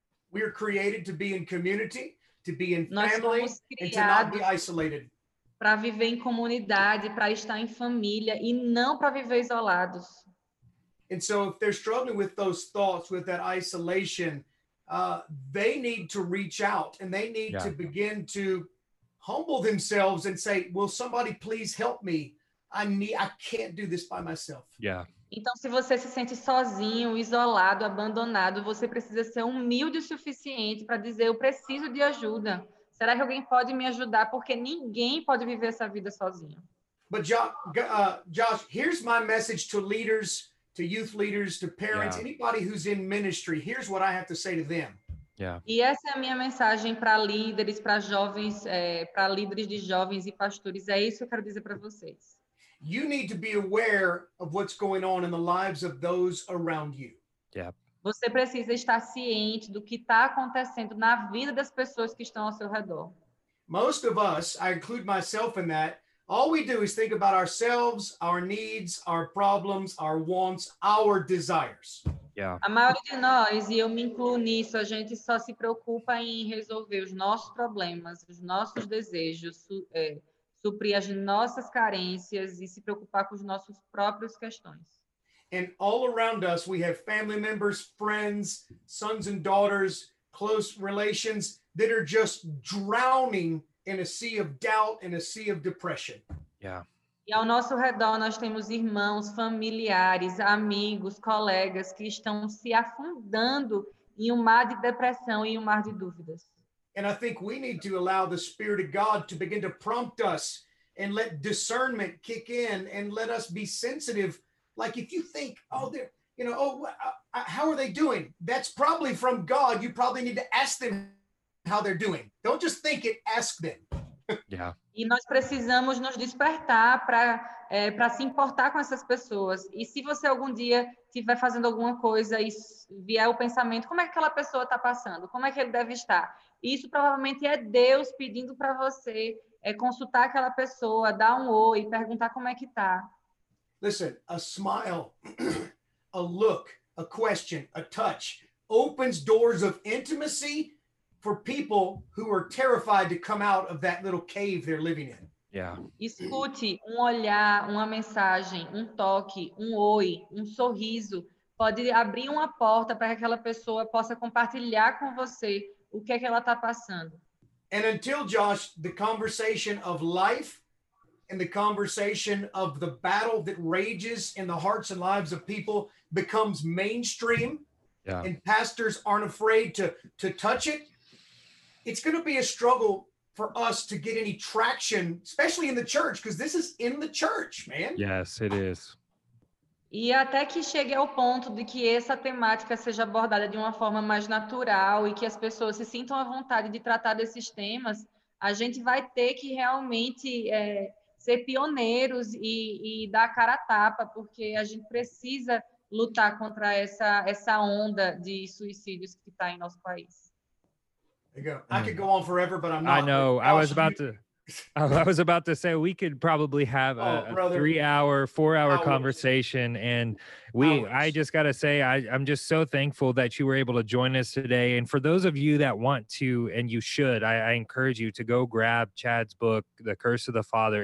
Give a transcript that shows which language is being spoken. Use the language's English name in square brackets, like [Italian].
[English] We are created to be in community, to be in family, and to not be isolated. [Portuguese] Para viver em comunidade, para estar em família e não para viver isolados. [English] And so if they're struggling with those thoughts, with that isolation, they need to reach out and they need to begin to humble themselves and say, will somebody please help me? I can't do this by myself. Yeah. [Portuguese] Então, se você se sente sozinho, isolado, abandonado, você precisa ser humilde o suficiente para dizer, eu preciso de ajuda. Será que alguém pode me ajudar? Porque ninguém pode viver essa vida sozinho. [English] But Josh, here's my message to leaders, to youth leaders, to parents, anybody who's in ministry, here's what I have to say to them. Yeah. [Portuguese] E essa é a minha mensagem para líderes, para jovens, para líderes de jovens e pastores. É isso que eu quero dizer para vocês. [English] You need to be aware of what's going on in the lives of those around you. Yeah. [Portuguese] Você precisa estar ciente do que está acontecendo na vida das pessoas que estão ao seu redor. [English] Most of us, I include myself in that, all we do is think about ourselves, our needs, our problems, our wants, our desires. Yeah. [Portuguese] A maioria de nós, e eu me incluo nisso, a gente só se preocupa em resolver os nossos problemas, os nossos desejos, suprir as nossas carências e se preocupar com os nossos próprios questões. [English] And all around us, we have family members, friends, sons and daughters, close relations that are just drowning in a sea of doubt, in a sea of depression. Yeah. [Portuguese] E ao nosso redor, nós temos irmãos, familiares, amigos, colegas que estão se afundando em um mar de depressão e um mar de dúvidas. [English] And I think we need to allow the Spirit of God to begin to prompt us and let discernment kick in and let us be sensitive. Like if you think, how are they doing? That's probably from God. You probably need to ask them, how they're doing. Don't just think it, ask them. Yeah. [Portuguese] E nós precisamos nos despertar para se importar com essas pessoas. E se você algum dia estiver fazendo alguma coisa e vier o pensamento, como é que aquela pessoa está passando? Como é que ele deve estar? Isso provavelmente é Deus pedindo para você consultar aquela pessoa, dar um oi, perguntar como é que está. [English] Listen, a smile, a look, a question, a touch opens doors of intimacy for people who are terrified to come out of that little cave they're living in. Yeah. [Portuguese] Escute, um olhar, uma mensagem, um toque, um oi, um sorriso pode abrir uma porta para que aquela pessoa possa compartilhar com você o que é que ela está passando. [English] And until, Josh, the conversation of life and the conversation of the battle that rages in the hearts and lives of people becomes mainstream, yeah, and pastors aren't afraid to touch it, it's going to be a struggle for us to get any traction, especially in the church, because this is in the church, man. Yes, it is. [Portuguese] E até que chegue ao ponto de que essa temática seja abordada de uma forma mais natural e que as pessoas se sintam à vontade de tratar desses temas, a gente vai ter que realmente ser pioneiros e dar cara a tapa, porque a gente precisa lutar contra essa onda de suicídios que está em nosso país. [English] I could go on forever, but I'm not. I know. Like, I was about to say we could probably have a three-hour, four-hour conversation. And I just got to say, I'm just so thankful that you were able to join us today. And for those of you that want to, and you should, I encourage you to go grab Chad's book, The Curse of the Father.